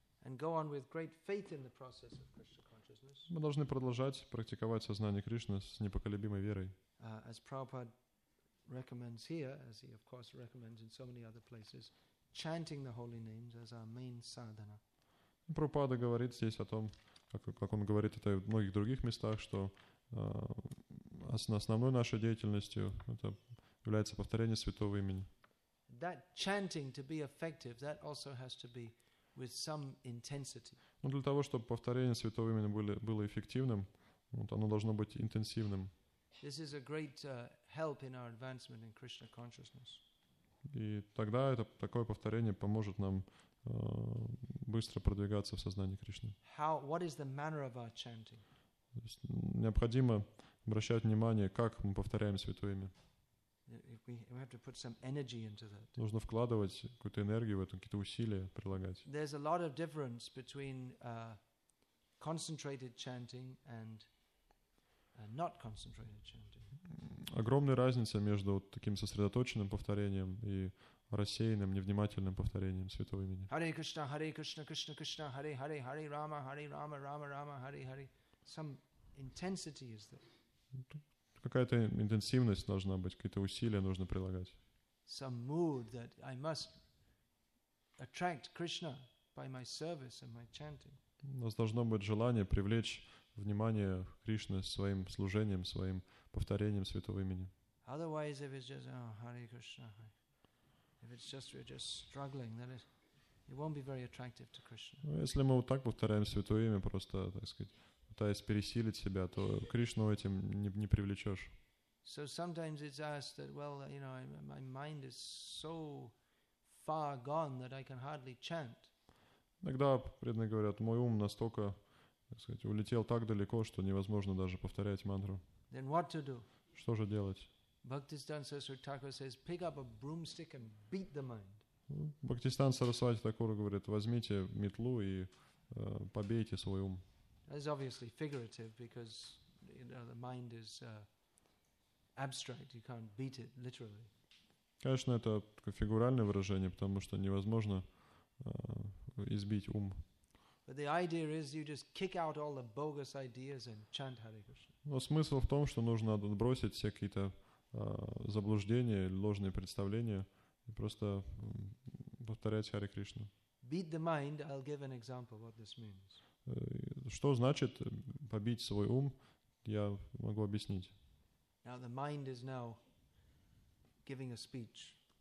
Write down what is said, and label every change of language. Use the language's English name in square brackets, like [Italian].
[English] And go on with great faith in the process of Krishna consciousness. [Russian] Мы должны продолжать практиковать сознание Кришны с непоколебимой верой. [English] As Prabhupada recommends here, as he of course recommends in so many other places, chanting the holy names as our main sadhana. [Russian] Прабхупада говорит здесь о том, как он говорит это в многих других местах, что основной нашей деятельностью это является повторение святого имени. [English] That chanting to be effective, that also has to be with some intensity. [Russian] Но для того, чтобы повторение святого имени было эффективным, оно должно быть интенсивным. [English] This is a great help in our advancement in Krishna consciousness. [Russian] И тогда это такое повторение поможет нам быстро продвигаться в сознании Кришны. [English] How? What is the manner of our chanting? [Russian] Необходимо обращать внимание, как мы повторяем святое имя. [English] We have to put some energy into that. [Russian] Нужно вкладывать какую-то энергию в это, какие-то усилия прилагать. [English] There's a lot of difference between concentrated chanting and not concentrated chanting. [Russian] Огромная разница между таким сосредоточенным повторением и рассеянным, невнимательным повторением святого имени. [Sanskrit] Hare Krishna, Hare Krishna, Krishna Krishna, Hare Hare, Hare Rama, Hare Rama, Rama Rama, Hare Hare. [English] Some intensity is there. [Russian] Какая-то интенсивность должна быть, какие-то усилия нужно прилагать. [English] Some mood that I must attract Krishna by my service and my chanting. [Russian] У нас должно быть желание привлечь внимание Кришны своим служением, своим повторением святого имени. [English] Otherwise, if it's just Hare Krishna, if it's just we're just struggling, then it won't be very attractive to Krishna. [Russian] Если мы вот так повторяем святое имя, просто, так сказать, пытаясь пересилить себя, то Кришну этим не привлечешь. [English] So sometimes it's asked that, well, you know, my mind is so far gone that I can hardly chant. [Russian] Иногда преданные говорят, мой ум настолько, так сказать, улетел так далеко, что невозможно даже повторять мантру. [English] Then what to do? [Russian] Что же делать? [English] Bhaktisiddhanta Saraswati Thakur says, pick up a broomstick and beat the mind. [Russian] Bhaktisiddhanta Saraswati Thakur говорит, возьмите метлу и побейте свой ум. [English] It's obviously figurative because, you know, the mind is abstract. You can't beat it literally. [Russian] Конечно, это фигуральное выражение, потому что невозможно избить ум. [English] But the idea is you just kick out all the bogus ideas and chant Hare Krishna. [Russian] Но смысл в том, что нужно отбросить все какие-то заблуждения, ложные представления и просто повторять Харе Кришну. [English] Beat the mind, I'll give an example what this means. [Russian] Что значит побить свой ум, я могу объяснить. [English] Now the mind is now giving a speech.